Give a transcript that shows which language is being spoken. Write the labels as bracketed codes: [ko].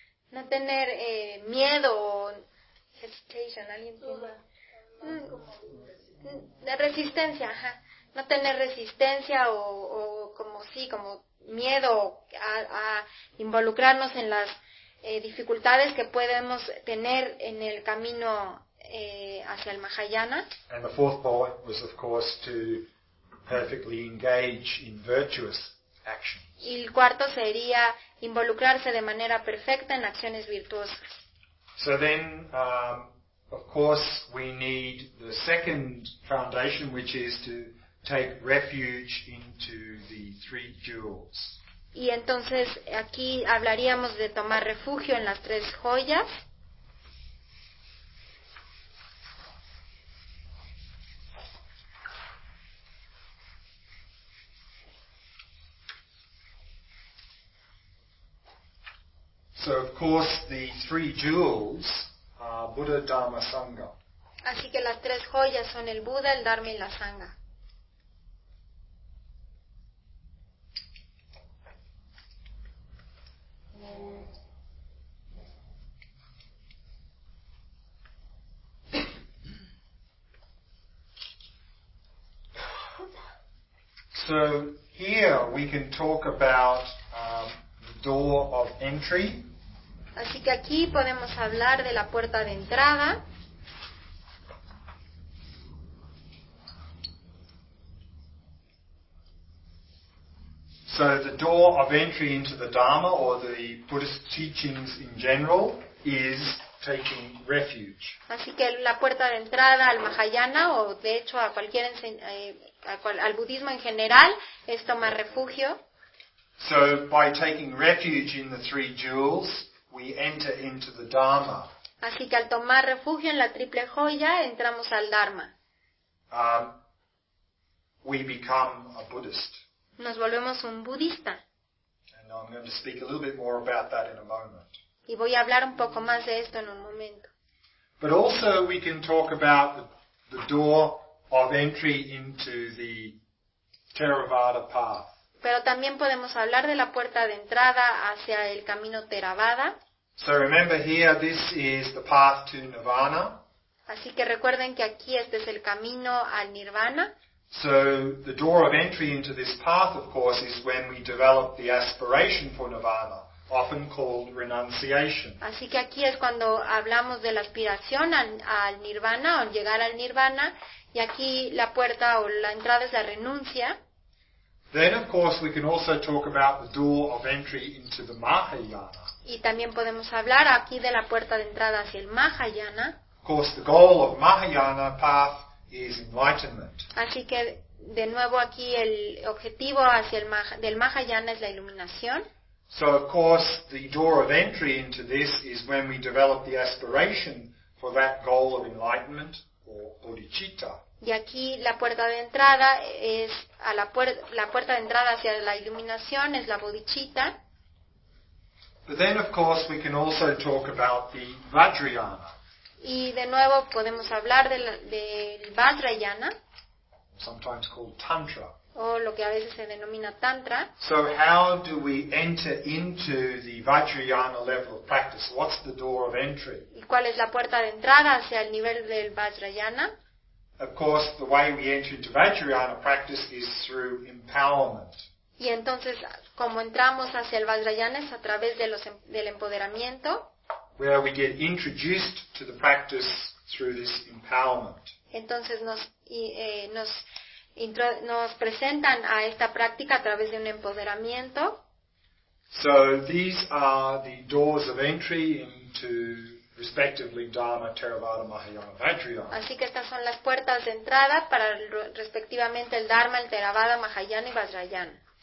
[es] No tener miedo o hesitation, alguien tiene resistencia, ajá. No tener resistencia o como sí, como miedo a involucrarnos en las dificultades que podemos tener en el camino hacia el Mahayana. [en] And the fourth point was of course to perfectly engage in virtuous actions. [es] Y el cuarto sería involucrarse de manera perfecta en acciones virtuosas. [en] So then of course, we need the second foundation, which is to take refuge into the three jewels. [es] Y entonces aquí hablaríamos de tomar refugio en las tres joyas. [en] So, of course, the three jewels. Buddha, Dharma, Sangha. [es] Así que las tres joyas son el Buda, el Dharma y la Sangha. [en] So here we can talk about the door of entry. [es] Así que aquí podemos hablar de la puerta de entrada. [en] So the door of entry into the Dharma or the Buddhist teachings in general is taking refuge. [es] Así que la puerta de entrada al Mahayana o de hecho a cualquier al budismo en general es tomar refugio. [en] So by taking refuge in the three jewels, we enter into the Dharma. [es] Así que al tomar refugio en la triple joya, entramos al Dharma. [en] We become a Buddhist. [es] Nos volvemos un budista. [en] And I'm going to speak a little bit more about that in a moment. [es] Y voy a hablar un poco más de esto en un momento. [en] But also we can talk about the door of entry into the Theravada path. [es] Pero también podemos hablar de la puerta de entrada hacia el camino Theravada. [en] So remember here, this is the path to Nirvana. [es] Así que recuerden que aquí este es el camino al Nirvana. [en] So the door of entry into this path, of course, is when we develop the aspiration for Nirvana, often called renunciation. [es] Así que aquí es cuando hablamos de la aspiración al Nirvana, o llegar al Nirvana, y aquí la puerta o la entrada es la renuncia. [en] Then, of course, we can also talk about the door of entry into the Mahayana. [es] Y también podemos hablar aquí de la puerta de entrada hacia el Mahayana. [en] Of course, the goal of Mahayana path is enlightenment. [es] Así que, de nuevo, aquí el objetivo hacia el del Mahayana es la iluminación. [en] So, of course, the door of entry into this is when we develop the aspiration for that goal of enlightenment, or bodhicitta. [es] Y aquí la puerta de entrada es a la puerta de entrada hacia la iluminación es la bodhicitta. [en] But then of course we can also talk about the Vajrayana. [es] Y de nuevo podemos hablar del Vajrayana. [en] Sometimes called Tantra. [es] O lo que a veces se denomina Tantra. [en] So how do we enter into the Vajrayana level of practice? What's the door of entry? [es] ¿Y cuál es la puerta de entrada hacia el nivel del Vajrayana? [en] Of course, the way we enter into Vajrayana practice is through empowerment. [es] Y entonces, como entramos hacia el Vajrayana es a través de del empoderamiento. [en] Where we get introduced to the practice through this empowerment. [es] Entonces nos presentan a esta práctica a través de un empoderamiento. [en] So these are the doors of entry into respectively Dharma, Theravada, Mahayana, Vajrayana. [es] Así que estas son las puertas de entrada para respectivamente el Dharma, el Theravada, Mahayana y Vajrayana.